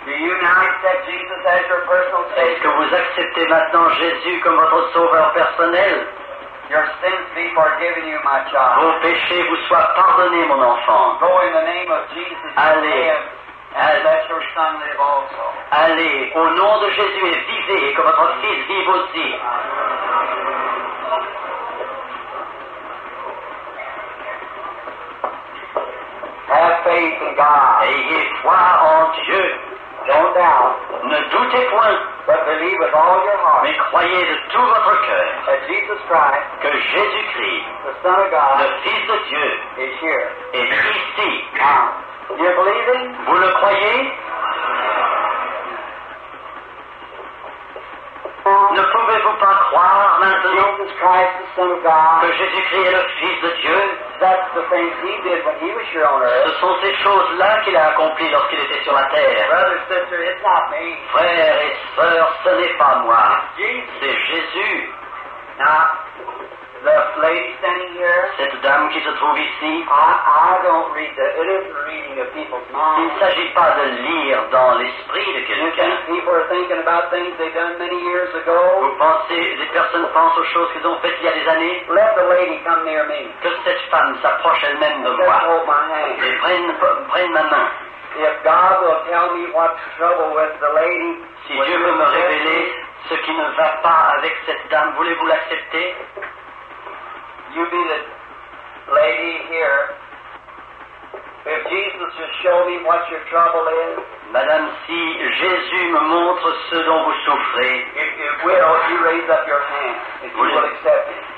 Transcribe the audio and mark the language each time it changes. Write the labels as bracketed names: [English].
[English] Do you now accept Jesus as your personal Savior? [French] Est-ce que vous acceptez maintenant Jésus comme votre Sauveur personnel? [English] Your sins be forgiven you, my child. [French] Vos péchés vous soient pardonnés, mon enfant. [English] Go in the name of Jesus. [French] Allez. [English] And let your son live also. [French] Allez, au nom de Jésus, et vivez, et que votre fils vive aussi. [English] Have faith in God. [French] Ayez foi en Dieu. [English] Don't doubt. [French] Ne doutez point. [English] But believe with all your heart. [French] Mais croyez de tout votre cœur. [English] That Jesus Christ. [French] Que Jésus-Christ. [English] The Son of God. [French] Le Fils de Dieu. [English] Is here. [French] Est ici. [English] Now. You believe it? [French] Vous le croyez? Ne pouvez-vous pas croire maintenant [English] Jesus Christ, the Son of God, [French] que Jésus-Christ est le Fils de Dieu? [English] That's the things he did when he was here on earth. [French] Ce sont ces choses-là qu'il a accomplies lorsqu'il était sur la terre. [English] Brother, sister, it's not me. [French] Frère et sœur, ce n'est pas moi. [English] Jesus. [French] C'est Jésus. [English] Now, the lady standing here, [French] cette dame qui se trouve ici, [English] it isn't reading of people's minds. [French] Il ne s'agit pas de lire dans l'esprit de quelqu'un. [English] People are thinking about things they've done many years ago. [French] Vous pensez, les personnes pensent aux choses qu'elles ont faites il y a des années. [English] Let the lady come near me. [French] Que cette femme s'approche elle-même de [English] just [French] moi. [English] Hold my hand. [French] Et prenne ma main. [English] If God will tell me what's trouble with the lady, [French] si Dieu veut me révéler ce qui ne va pas avec cette dame, voulez-vous l'accepter? [English] You be the lady here. If Jesus just show me what your trouble is. [French] Madame, si Jésus me montre ce dont vous souffrez. [English] If you raise up your hand, if you will accept it.